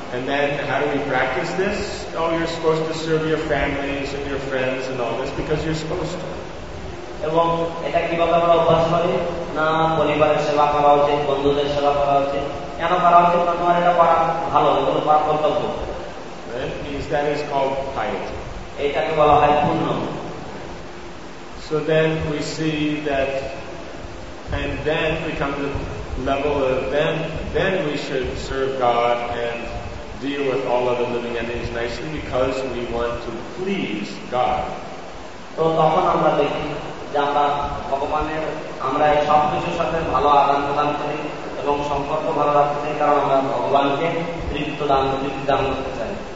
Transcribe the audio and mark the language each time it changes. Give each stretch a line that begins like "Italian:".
English: And then how do we practice this? Oh, you're supposed to serve your families and your friends and all this because you're supposed to.
Bangla: এবং এটা কিভাবে আমরা অভ্যাস করি? না পরিবারের সেবা করা উচিত, বন্ধুদের সেবা করা উচিত, কেন করা উচিত? না তোমার এটা করা ভালো, এগুলো করা কর্তব্য।
English: That is called piety.
Bangla: এটাকে বলা হয় পূর্ণ।
English: So then we see that, and then we come to the level of then we should serve God and deal with all other living entities nicely because we want to please God.
Bangla: So তখন আমরা দেখি যে আমরা ভগবানের আমরা এই সব কিছুর সাথে ভালো আদান প্রদান করি এবং সম্পর্ক ভালো রাখতে চাই কারণ আমরা ভগবানকে তৃপ্তি দান করতে চাই।